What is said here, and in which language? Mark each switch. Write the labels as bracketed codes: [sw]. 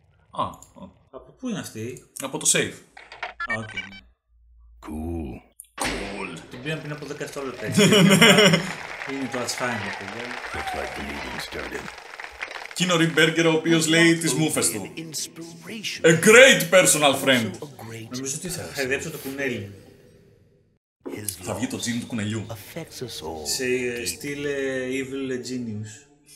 [el] Α. Από πού είναι αυτή. Από το safe. [en] Α, okay. Cool. [el] Την πήραμε πριν από 17 λεπτά. Είναι το ατσφάνιο, παιδιά. [en] Looks like the meeting started. [el] Κίνο Ριμπέργκερ, ο οποίος λέει τις μούφες του. [en] A great personal friend. [el] Νομίζω ότι θα χαϊδέψω το κουνέλι. Θα βγει το τζίνι του κουνελιού. Σε στυλ Evil Genius.